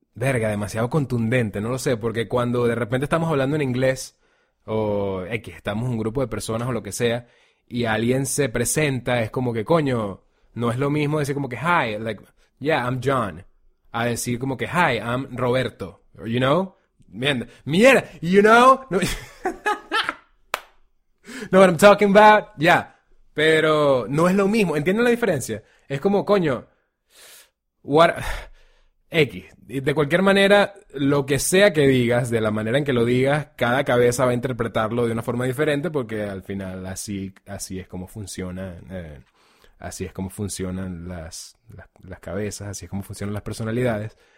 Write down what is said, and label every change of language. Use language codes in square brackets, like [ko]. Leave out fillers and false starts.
[es] Verga, demasiado contundente, no lo sé, porque cuando de repente estamos hablando en inglés o X, estamos un grupo de personas o lo que sea y alguien se presenta, es como que coño, no es lo mismo decir como que [en] hi, like, yeah, I'm John, [es] a decir como que [en] hi, I'm Roberto, you know? [es] Mierda, mierda, [en] you know? No, know what I'm talking about? [es] Yeah, pero no es lo mismo, ¿entienden la diferencia? Es como coño, what. X. De cualquier manera, lo que sea que digas, de la manera en que lo digas, cada cabeza va a interpretarlo de una forma diferente, porque al final así es como funcionan, así es como funcionan las cabezas, así es como funcionan las personalidades.